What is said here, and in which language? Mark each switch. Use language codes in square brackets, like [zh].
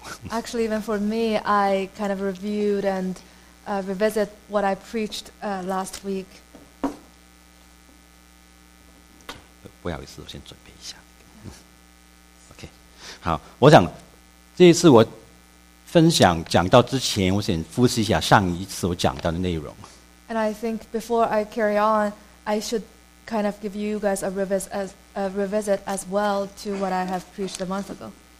[en] Actually, even for me, I kind of reviewed and revisit what I preached last week. [zh] 不好意思，我先准备一下。OK， 好，我想这一次我分享讲到之前，我先复习一下上一次我讲到的内容。 [en] And I think before I carry on, I should kind of give you guys a revisit as well to what I have preached a month ago.